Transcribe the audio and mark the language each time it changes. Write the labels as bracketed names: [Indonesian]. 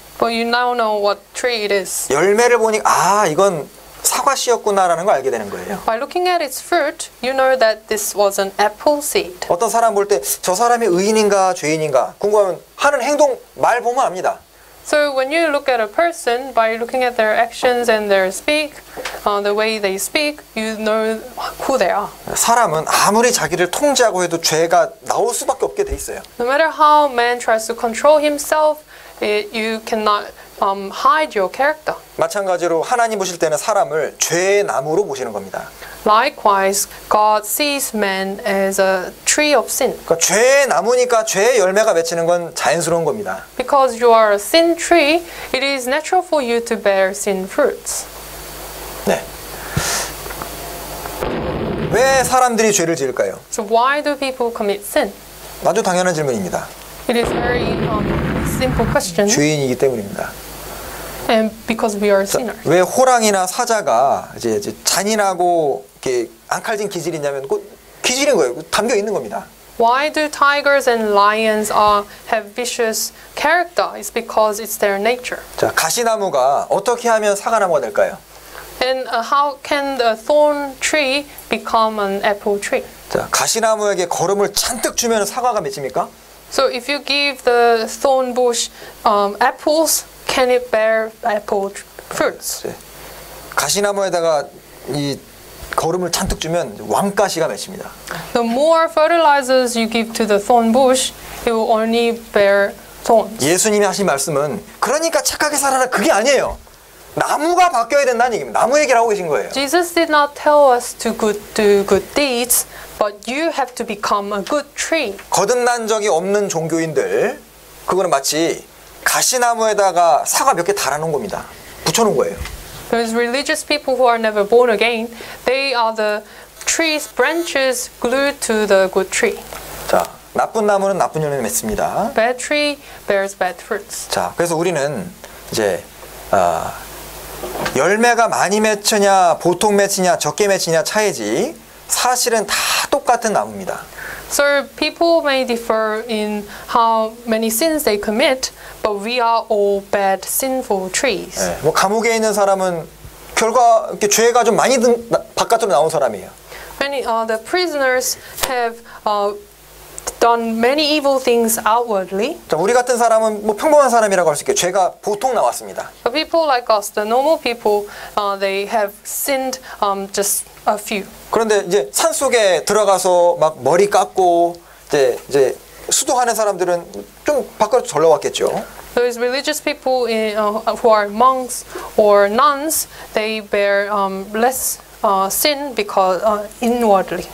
[English] But you now know what tree it is. [Korean] 열매를 보니 아 이건 사과 씨였구나라는 걸 알게 되는 거예요. [English] By looking at its fruit, you know that this was an apple seed. [Korean] 어떤 사람 볼 때 저 사람이 의인인가 죄인인가 궁금하면 하는 행동 말 보면 압니다. [English] So when you look at a person by looking at their actions and their speak, the way they speak, you know who they are. [Korean] 사람은 아무리 자기를 통제하고 해도 죄가 나올 수밖에 없게 돼 있어요. [English] No matter how man tries to control himself, you cannot hide your character. [Korean] 마찬가지로 하나님 보실 때는 사람을 죄의 나무로 보시는 겁니다. [English] Likewise, God sees man as a tree of sin. [Korean] 그러니까 죄의 나무니까 죄의 열매가 맺히는 건 자연스러운 겁니다. [English] Because you are a sin tree, it is natural for you to bear sin fruits. [Korean] 네. 왜 사람들이 죄를 지을까요? [English] So why do people commit sin? [Korean] 아주 당연한 질문입니다. [English] It is very simple question. [Korean] 죄인이기 때문입니다. [English] And because we are sinners. [Korean] 왜 호랑이나 사자가 이제 잔인하고 이렇게 앙칼진 기질이냐면 그 기질인 거예요. 담겨 있는 겁니다. [English] Why do tigers and lions have vicious character? It's because it's their nature. [Korean] 자, 가시나무가 어떻게 하면 사과나무가 될까요? [English] And how can the thorn tree become an apple tree? [Korean] 자, 가시나무에게 거름을 잔뜩 주면 사과가 맺힙니까? [English] So if you give the thorn bush apples, can it bear apple fruits? [Korean] 가시나무에다가 이 거름을 잔뜩 주면 왕가시가 맺힙니다. [English] The more fertilizers you give to the thorn bush, it will only bear thorns. [Korean] 예수님이 하신 말씀은 그러니까 착하게 살아라 그게 아니에요. 나무가 바뀌어야 된다는 얘기입니다. 나무 얘기를 하고 계신 거예요. [English] Jesus did not tell us to do good deeds, but you have to become a good tree. [Korean] 거듭난 적이 없는 종교인들, 그거는 마치 가시나무에다가 사과 몇 개 달아놓은 겁니다. 붙여놓은 거예요. [English] Those religious people who are never born again, they are the tree's branches glued to the good tree. [Korean] 자, 나쁜 나무는 나쁜 열매 맺습니다. [English] Bad tree bears bad fruits. [Korean] 자, 그래서 우리는 이제 열매가 많이 맺히냐, 보통 맺히냐, 적게 맺히냐 차이지 사실은 다 똑같은 나무입니다. [English] So people may differ in how many sins they commit, but we are all bad, sinful trees. [Korean] 네, 뭐 감옥에 있는 사람은 결과 이렇게 죄가 좀 많이 바깥으로 나온 사람이에요. [English] Many the prisoners have done many evil things outwardly. [Korean] 자, 우리 같은 사람은 뭐 평범한 사람이라고 할 수 있게 죄가 보통 나왔습니다. [English] The people like us, the normal people, they have sinned just a few. [Korean] 그런데 이제 산 속에 들어가서 막 머리 깎고 이제 수도하는 사람들은 좀 밖으로 전락했겠죠. [English] Those religious people in, who are monks or nuns, they bear less sin because inwardly.